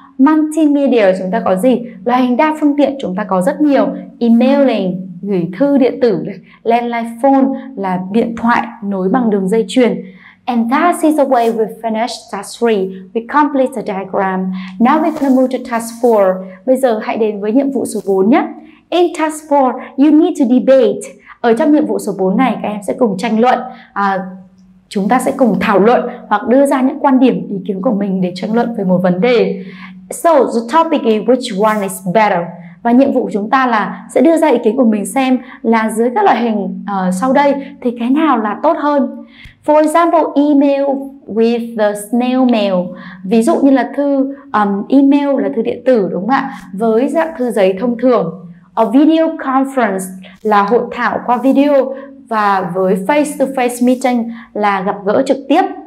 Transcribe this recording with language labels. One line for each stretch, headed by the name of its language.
Vietnamese: Multimedia chúng ta có gì? Loại hình đa phương tiện chúng ta có rất nhiều. Emailing, gửi thư điện tử. Landline phone là điện thoại nối bằng đường dây truyền.
English: And that is the way we finish task 3. We complete the diagram. Now we're gonna move to task 4.
Vietnamese: Bây giờ hãy đến với nhiệm vụ số 4 nhé.
English: In task 4, you need to debate.
Vietnamese: Ở trong nhiệm vụ số 4 này, các em sẽ cùng tranh luận. Chúng ta sẽ cùng thảo luận hoặc đưa ra những quan điểm, ý kiến của mình để tranh luận về một vấn đề.
English: So the topic is which one is better.
Vietnamese: Và nhiệm vụ của chúng ta là sẽ đưa ra ý kiến của mình xem là dưới các loại hình sau đây thì cái nào là tốt hơn.
English: For example, email with the snail mail.
Vietnamese: Ví dụ như là thư email là thư điện tử đúng không ạ? Với dạng thư giấy thông thường.
English: A video conference
Vietnamese: là hội thảo qua video, và với
English: face to face meeting
Vietnamese: là gặp gỡ trực tiếp.